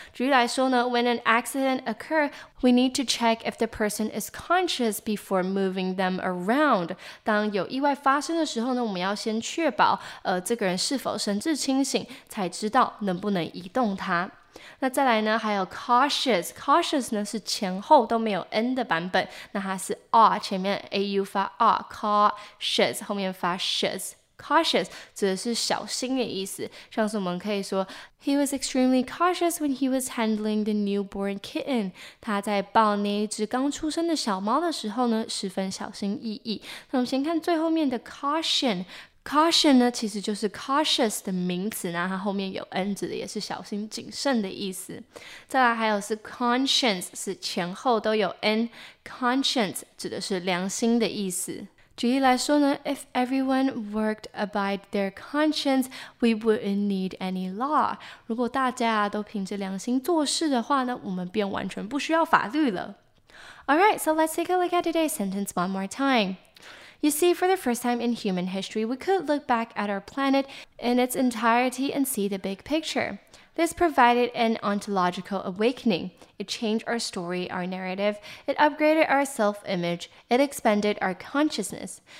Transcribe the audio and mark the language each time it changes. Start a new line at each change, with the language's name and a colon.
Chinese: 举例来说呢，
English: when an accident occurs， we need to check if the person is conscious before moving them around。
Chinese: 当有意外发生的时候呢，我们要先确保这个人是否神志清醒，才知道能不能移动他。那再来呢，还有 cautious， cautious 呢是前后都没有 n 的版本，那它是 r 前面 au 发 r， cautious 后面发 shus。 Cautious 指的是小心的意思，像是我们可以说
English: He was extremely cautious when he was handling the newborn kitten，
Chinese: 他在抱那一只刚出生的小猫的时候呢，十分小心翼翼。那我们先看最后面的 caution， caution 呢其实就是 cautious 的名词，那它后面有 n 指的也是小心谨慎的意思。再来还有是 conscience， 是前后都有 n， conscience 指的是良心的意思。举例来说呢
English: ，if everyone worked by their conscience, we wouldn't need any law.
Chinese: 如果大家都凭着良心做事的话呢，我们便完全不需要法律了。
English: All right, so let's take a look at today's sentence one more time. You see, for the first time in human history, we could look back at our planet in its entirety and see the big picture. This provided an ontological awakening. It changed our story, our narrative. It upgraded our self-image. It expanded our consciousness.